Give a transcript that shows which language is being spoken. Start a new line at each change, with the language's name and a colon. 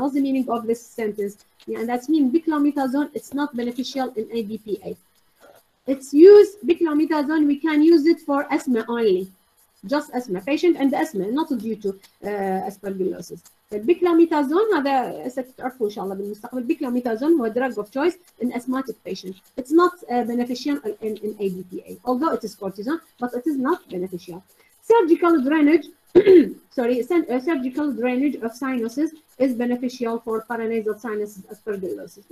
English: What's the meaning of this sentence? Yeah, and that means beclomethasone it's not beneficial in ABPA. It's used beclomethasone we can use it for asthma only, just asthma patient and asthma, not due to aspergillosis.
Arabic: البيكلوميتازون هذا ستعرفوا إن شاء الله بالمستقبل البيكلوميتازون هو
English: drug of choice in asthmatic patients. It's not beneficial in ABPA, although it is cortisone, but it is not beneficial. Surgical drainage, sorry, surgical drainage of sinuses is beneficial for paranasal sinuses aspergillosis.